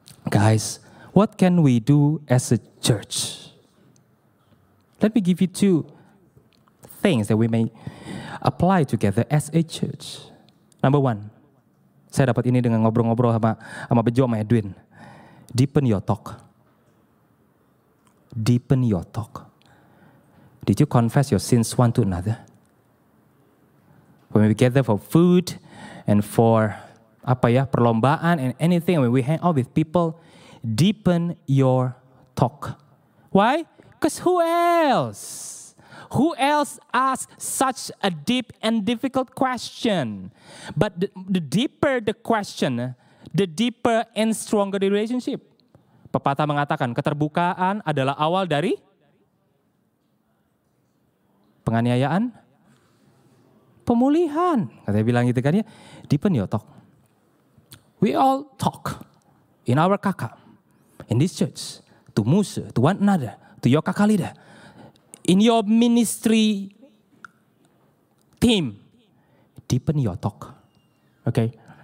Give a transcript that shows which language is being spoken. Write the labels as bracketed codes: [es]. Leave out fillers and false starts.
[en] guys, what can we do as a church? Let me give you two things that we may apply together as a church. Number one, [id] saya dapat ini dengan ngobrol-ngobrol sama Bejo, sama Edwin. [en] Deepen your talk. Deepen your talk. Did you confess your sins one to another? When we gather for food and for [id] apa ya, perlombaan [en] and anything, when we hang out with people, deepen your talk. Why? Because who else? Who else asks such a deep and difficult question? But the deeper the question, the deeper and stronger the relationship. [id] Pepatah mengatakan, keterbukaan adalah awal dari penganiayaan, pemulihan. Katanya bilang gitu kan ya. [en] Deepen your talk. We all talk in our kaka, in this church, to Musa, to one another, to your kaka leader, in your ministry team. Deepen your talk. Okay?